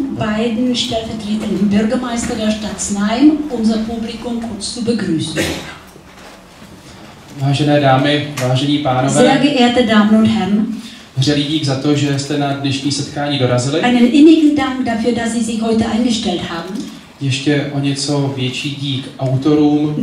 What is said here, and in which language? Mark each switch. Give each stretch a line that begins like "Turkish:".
German: Beiden stellvertretenden Bürgermeister der Stadt Znojma, unser Publikum kurz zu begrüßen.
Czech: Vážené dámy, vážení pánové,
German: sehr geehrte Damen und Herren,
Czech: hřelý dík za to, že jste na dnešní setkání dorazili.
German: Einen innigen Dank dafür, dass Sie sich heute eingestellt haben.
Czech: Ještě o něco větší dík autorům,